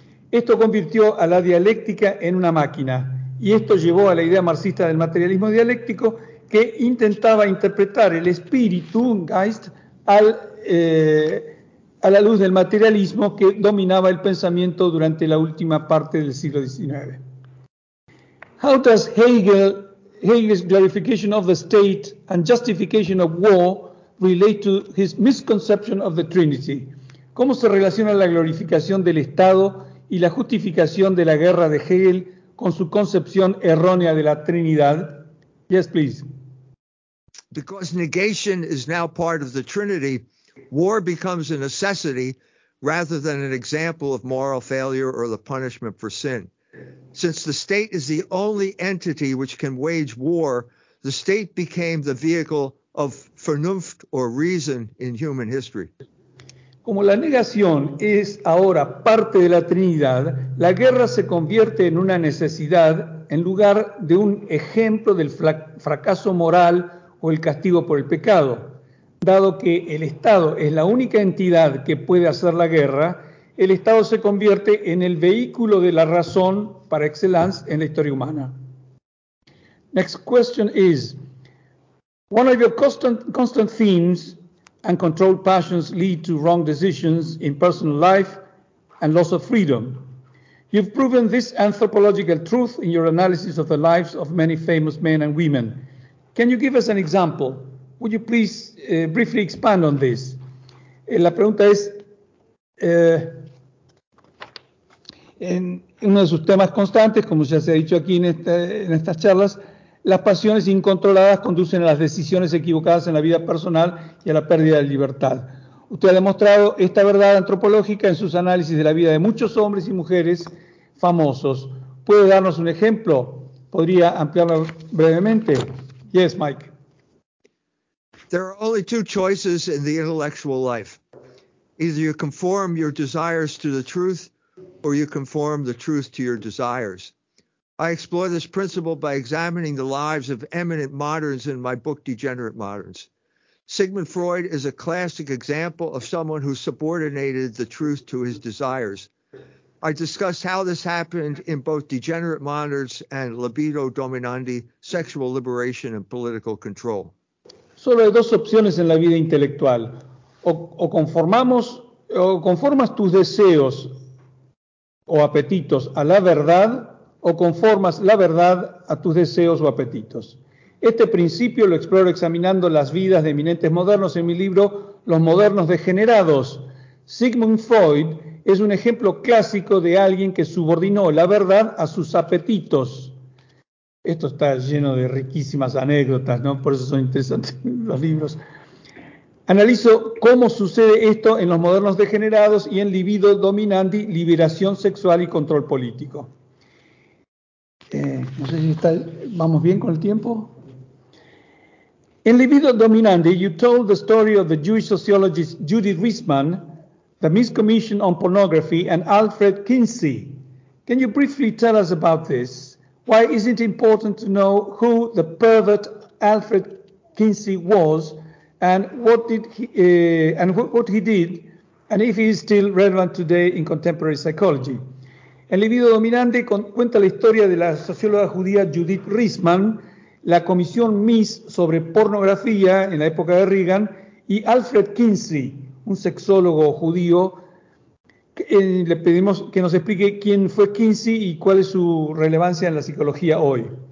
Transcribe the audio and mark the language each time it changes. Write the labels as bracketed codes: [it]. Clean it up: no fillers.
[es] Esto convirtió a la dialéctica en una máquina, y esto llevó a la idea marxista del materialismo dialéctico, que intentaba interpretar el espíritu, Geist, a la luz del materialismo que dominaba el pensamiento durante la última parte del siglo XIX. [en] How does Hegel's glorification of the state and justification of war relate to his misconception of the Trinity? [es] ¿Cómo se relaciona la glorificación del Estado y la justificación de la guerra de Hegel con su concepción errónea de la Trinidad? [en] Yes, please. Because negation is now part of the Trinity, war becomes a necessity rather than an example of moral failure or the punishment for sin. Since the state is the only entity which can wage war, the state became the vehicle of Vernunft or reason in human history. [es] Como la negación es ahora parte de la Trinidad, la guerra se convierte en una necesidad en lugar de un ejemplo del fracaso moral o el castigo por el pecado. Dado que el Estado es la única entidad que puede hacer la guerra, el Estado se convierte en el vehículo de la razón par excellence en la historia humana. [en] Next question is, one of your constant themes, uncontrolled passions lead to wrong decisions in personal life and loss of freedom. You've proven this anthropological truth in your analysis of the lives of many famous men and women. Can you give us an example? Would you please briefly expand on this? [es] La pregunta es, en uno de sus temas constantes, como ya se ha dicho aquí en estas charlas, las pasiones incontroladas conducen a las decisiones equivocadas en la vida personal y a la pérdida de libertad. Usted ha demostrado esta verdad antropológica en sus análisis de la vida de muchos hombres y mujeres famosos. ¿Puede darnos un ejemplo? ¿Podría ampliarlo brevemente? [en] Yes, Mike. There are only two choices in the intellectual life. Either you conform your desires to the truth or you conform the truth to your desires. I explore this principle by examining the lives of eminent moderns in my book, Degenerate Moderns. Sigmund Freud is a classic example of someone who subordinated the truth to his desires. I discuss how this happened in both Degenerate Moderns and Libido Dominandi, Sexual Liberation and Political Control. [es] Solo hay dos opciones en la vida intelectual. O conformas tus deseos o apetitos a la verdad, o conformas la verdad a tus deseos o apetitos. Este principio lo exploro examinando las vidas de eminentes modernos en mi libro Los Modernos Degenerados. Sigmund Freud es un ejemplo clásico de alguien que subordinó la verdad a sus apetitos. Esto está lleno de riquísimas anécdotas, ¿no? Por eso son interesantes los libros. Analizo cómo sucede esto en Los Modernos Degenerados y en Libido Dominandi, Liberación Sexual y Control Político. No sé si está, vamos bien con el tiempo. [en] In Libido Dominandi, you told the story of the Jewish sociologist Judith Wiesman, the Miss Commission on Pornography, and Alfred Kinsey. Can you briefly tell us about this? Why is it important to know who the pervert Alfred Kinsey was, and what did he did, and if he is still relevant today in contemporary psychology? [es] El libido dominante cuenta la historia de la socióloga judía Judith Riesman, la comisión Miss sobre pornografía en la época de Reagan, y Alfred Kinsey, un sexólogo judío. Le pedimos que nos explique quién fue Kinsey y cuál es su relevancia en la psicología hoy.